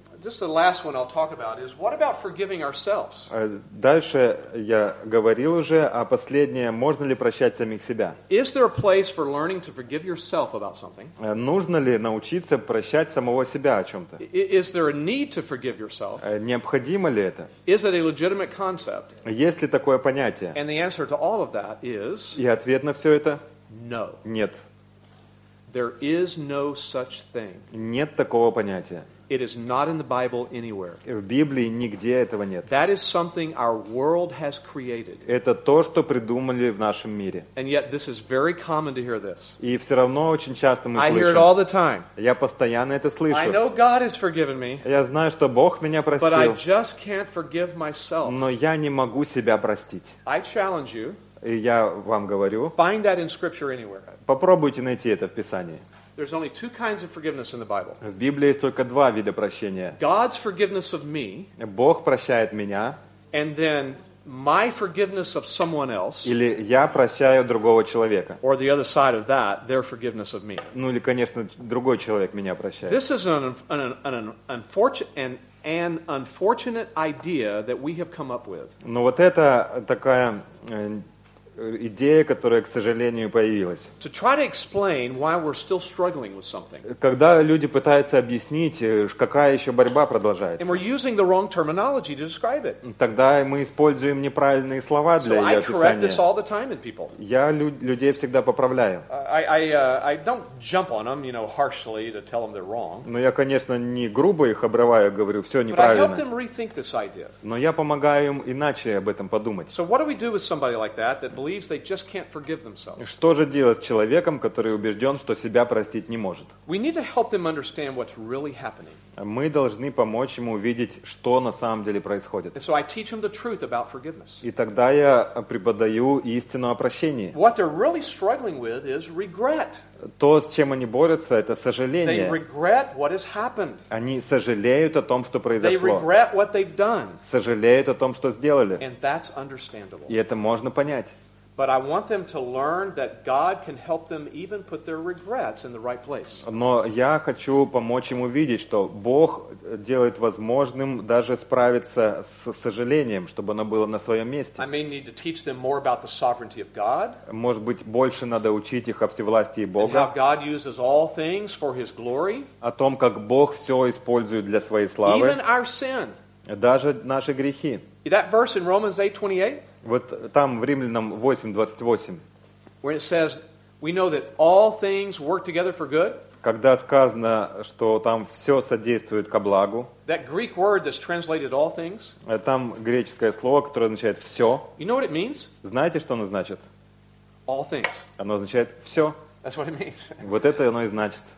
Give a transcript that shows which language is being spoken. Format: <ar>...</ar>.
<en>Just the last one I'll talk about is what about forgiving ourselves?</en> <ru>Дальше я говорил уже, а последнее, можно ли прощать самих себя?</ru> <en>Is there a place for learning to forgive yourself about something?</en> <ru>Нужно ли научиться прощать самого себя о чем-то?</ru> <en>Is there a need to forgive yourself?</en> <ru>Необходимо ли это?</ru> <en>Is it a legitimate concept?</en> <ru>Есть ли такое понятие?</ru> <en>And the answer to all of that is.</en> <ru>И ответ на все это?</ru> <en>No.</en> <ru>Нет.</ru> <en>There is no such thing.</en> <ru>Нет такого понятия.</ru> <en>It is not in the Bible anywhere.</en> <ru>В Библии нигде этого нет.</ru> <en>That is something our world has created.</en> <ru>Это то, что придумали в нашем мире.</ru> <en>And yet this is very common to hear this.</en> <ru>И все равно очень часто мы слышим.</ru> <en>I hear it all the time.</en> <ru>Я постоянно это слышу.</ru> <en>I know God has forgiven me.</en> <ru>Я знаю, что Бог меня простил.</ru> <en>But I just can't forgive myself.</en> <ru>Но я не могу себя простить.</ru> <en>I challenge you.</en> <ru>И я вам говорю.</ru> <en>Find that in Scripture anywhere.</en> <ru>Попробуйте найти это в Писании.</ru> <en>There's only two kinds of forgiveness in the Bible.</en> <ru>В Библии есть только два вида прощения.</ru> <en>God's forgiveness of me.</en> <ru>Бог прощает меня.</ru> <en>And then my forgiveness of someone else.</en> <ru>Или я прощаю другого человека.</ru> <en>Or the other side of that, their forgiveness of me.</en> <ru>Ну или, конечно, другой человек меня прощает.</ru> <en>This is an unfortunate idea that we have come up with.</en> <ru>Ну вот это такая идея, которая, к сожалению, появилась.</ru> <en>To try to explain why we're still struggling with something.</en> <ru>Когда люди пытаются объяснить, какая еще борьба продолжается.</ru> <en>And we're using the wrong terminology to describe it.</en> <ru>Тогда мы используем неправильные слова для ее описания.</ru> <en>So I correct this all the time in people.</en> <ru>Я людей всегда поправляю.</ru> <en>I don't jump on them, you know, harshly to tell them they're wrong.</en> <ru>Но я, конечно, не грубо их обрываю, говорю, все неправильно.</ru> <en>But I help them rethink this idea.</en> <ru>Но я помогаю им иначе об этом подумать.</ru> <en>So what do we do with somebody like that? That believes they just can't forgive themselves.</en> <ru>Что же делать с человеком, который убежден, что себя простить не может?</ru> <en>We need to help them understand what's really happening.</en> <ru>Мы должны помочь ему увидеть, что на самом деле происходит.</ru> <en>And so I teach them the truth about forgiveness.</en> <ru>И тогда я преподаю истину о прощении.</ru> <en>What they're really struggling with is regret.</en> <ru>То, с чем они борются, это сожаление.</ru> <en>They regret what has happened.</en> <ru>Они сожалеют о том, что произошло.</ru> <en>They regret what they've done.</en> <ru>Сожалеют о том, что сделали.</ru> <en>And that's understandable.</en> <ru>И это можно понять.</ru> <en>But I want them to learn that God can help them even put their regrets in the right place.</en> <ru>Но я хочу помочь им увидеть, что Бог делает возможным даже справиться с сожалением, чтобы оно было на своем месте.</ru> <en>I may need to teach them more about the sovereignty of God.</en> <ru>Может быть, больше надо учить их о всевластии Бога.</ru> <en>And how God uses all things for His glory.</en> <ru>О том, как Бог все использует для своей славы.</ru> <en>Even our sin.</en> <ru>Даже наши грехи.</ru> <en>That verse in Romans 8:28.</en> <ru>Вот там в Римлянам 8:28.</ru> <en>Where it says, we know that all things work together for good.</en> <ru>Когда сказано, что там все содействует ко благу.</ru> <en>That Greek word that's translated all things.</en> <ru>Там греческое слово, которое означает все.</ru> <en>You know what it means?</en> <ru>Знаете, что оно значит?</ru> <en>All things.</en> <ru>Оно означает все.</ru> <en>That's what it means.</en> <ru>Вот это оно и значит.</ru>